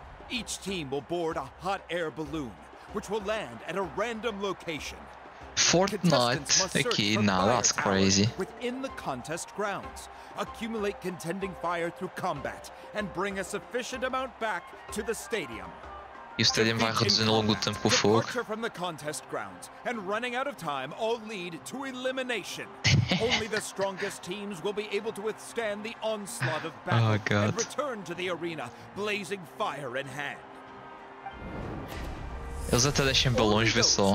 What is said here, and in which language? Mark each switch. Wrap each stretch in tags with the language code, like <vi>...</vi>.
<en>Each team will board a hot air balloon, which will land at a random location. Fortnite, okay, now that's crazy. Within the contest grounds, accumulate contending fire through combat and bring a sufficient amount back to the stadium.</en> <pt>E o stadium vai reduzindo ao longo do tempo com o fogo.</pt> <en>From the contest grounds and running out of time all lead to elimination. Only the strongest teams will be able to withstand the onslaught of battle and return to the arena, blazing fire in hand.</en> <pt>Eles até deixam bem longe, vê só.</pt>